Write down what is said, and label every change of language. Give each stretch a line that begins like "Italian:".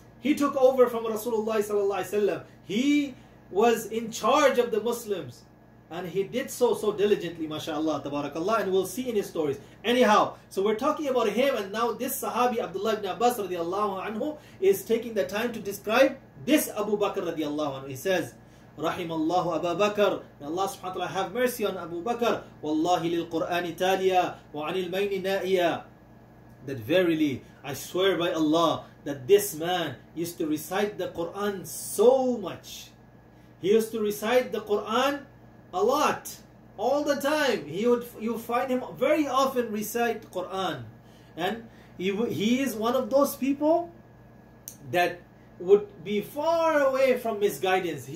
English: He took over from Rasulullah sallallahu alayhi wa sallam. He was in charge of the Muslims. And he did so diligently, mashallah, tabarakallah, and we'll see in his stories. Anyhow, so we're talking about him, and now this Sahabi, Abdullah ibn Abbas radiallahu anhu, is taking the time to describe this Abu Bakr radiallahu anhu. He says,
Arabic: رحم الله أبا بكر.
English: May Allah subhanahu wa ta'ala have mercy on Abu Bakr.
Arabic: والله للقرآن تاليا وعن المين نائيا.
English: That verily, I swear by Allah, that this man used to recite the Quran so much. He used to recite the Quran a lot, all the time. You find him very often recite Quran, and he is one of those people that would be far away from misguidance.